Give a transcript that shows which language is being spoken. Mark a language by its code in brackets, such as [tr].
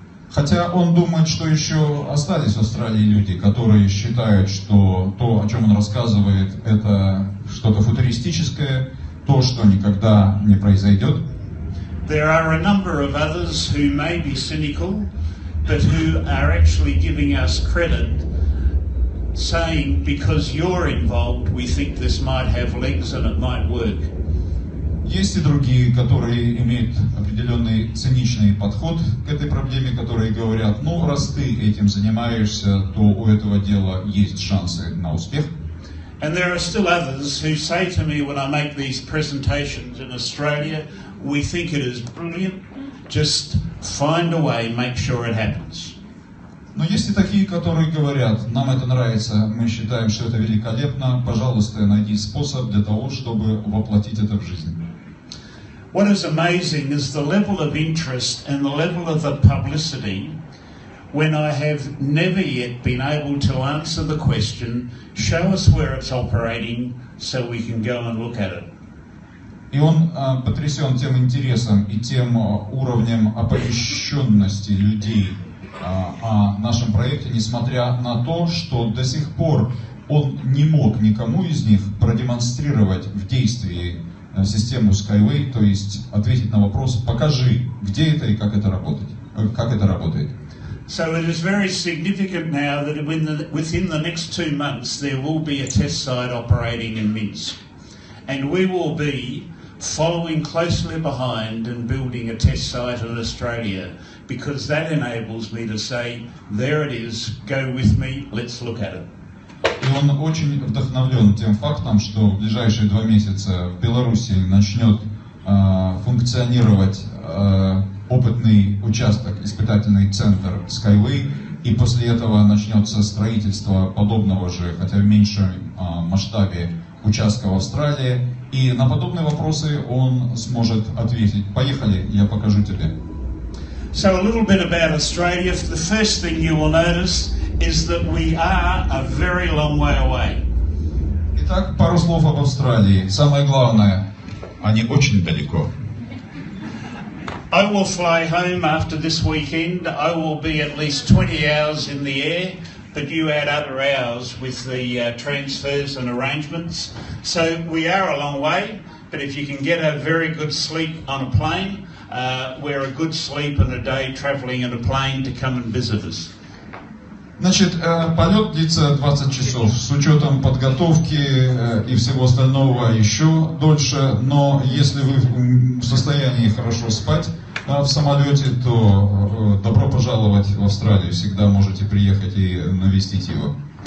[ru] Хотя он думает, что еще остались в Австралии люди, которые считают, что то, о чем он рассказывает, это что-то футуристическое, то, что никогда не произойдет. [en] There are a number of others who may be cynical, but who are actually giving us credit, saying, because you're involved, we think this might have legs and it might work. [ru] Есть и другие, которые имеют определенный циничный подход к этой проблеме, которые говорят, ну, раз ты этим занимаешься, то у этого дела есть шансы на успех. [en] And there are still others who say to me when I make these presentations in Australia, we think it is brilliant, just find a way, make sure it happens. [ru] Но есть и такие, которые говорят, нам это нравится, мы считаем, что это великолепно, пожалуйста, найди способ для того, чтобы воплотить это в жизнь. [en] What is amazing is the level of interest and the level of the publicity when I have never yet been able to answer the question, show us where it's operating so we can go and look at it. [ru] И он потрясен тем интересом и тем уровнем оповещенности людей о нашем проекте, несмотря на то, что до сих пор он не мог никому из них продемонстрировать в действии систему Skyway, то есть ответить на вопрос, покажи, где это и как это работает. [en] So it is very significant now that within the next 2 months there will be a test site operating in Minsk. And we will be following closely behind and building a test site in Australia, because that enables me to say, there it is, go with me, let's look at it. [ru] И он очень вдохновлен тем фактом, что в ближайшие 2 месяца в Беларуси начнет функционировать опытный участок, испытательный центр SkyWay, и после этого начнется строительство подобного же, хотя в меньшем масштабе, участка в Австралии. И на подобные вопросы он сможет ответить. Поехали, я покажу тебе. [en] So a little bit about Australia. The first thing you will notice is that we are a very long way away. [ru] Итак, пару слов об Австралии. Самое главное, они очень далеко. [en] I will fly home after this weekend. I will be at least 20 hours in the air. But you add other hours with the transfers and arrangements. So we are a long way, but if you can get a very good sleep on a plane, we're a good sleep and a day travelling in a plane to come and visit us. [ru] Значит, полет длится 20 часов, с учетом подготовки и всего остального еще дольше, но если вы в состоянии хорошо спать, в самолете, то добро пожаловать в Австралию. Всегда можете приехать и навестить его.